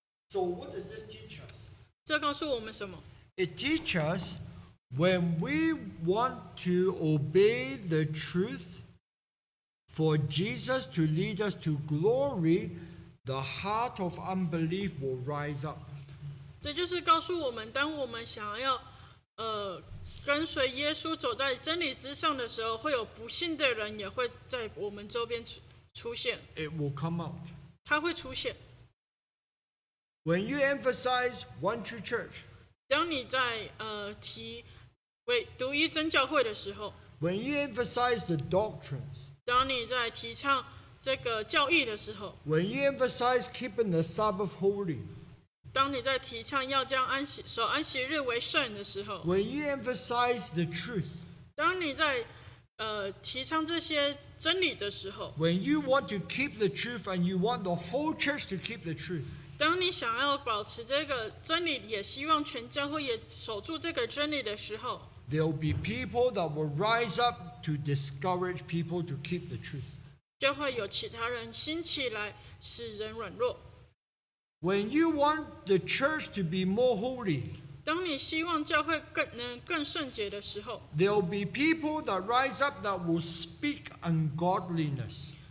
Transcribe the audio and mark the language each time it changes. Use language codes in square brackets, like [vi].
[en] So what does this teach us? [zh] 这告诉我们什么？ [en] It teaches us when we want to obey the truth for Jesus to lead us to glory, the heart of unbelief will rise up. [zh] 这就是告诉我们，当我们想要跟随耶稣走在真理之上的时候，会有不信的人也会在我们周边出现。 [en] It will come out. [zh] 它会出现。 [en] When you emphasize one true church, [zh] 当你在提为独一真教会的时候 [en] ，When you emphasize the doctrines, [zh] 当你在提倡这个教义的时候 [en] ，When you emphasize keeping the Sabbath holy. [zh] 当你在提倡要将守安息日为圣的时候 [en] When you emphasize the truth, [zh] 当你在提倡这些真理的时候 [en] When you want to keep the truth and you want the whole church to keep the truth, [zh] 当你想要保持这个真理也希望全教会也守住这个真理的时候 [en] There will be people that will rise up to discourage people to keep the truth. [zh] 就会有其他人兴起来使人软弱。 [en] When you want the church to be more holy, [zh] 当你希望教会更圣洁的时候 [en] there will be people that rise up that will speak ungodliness.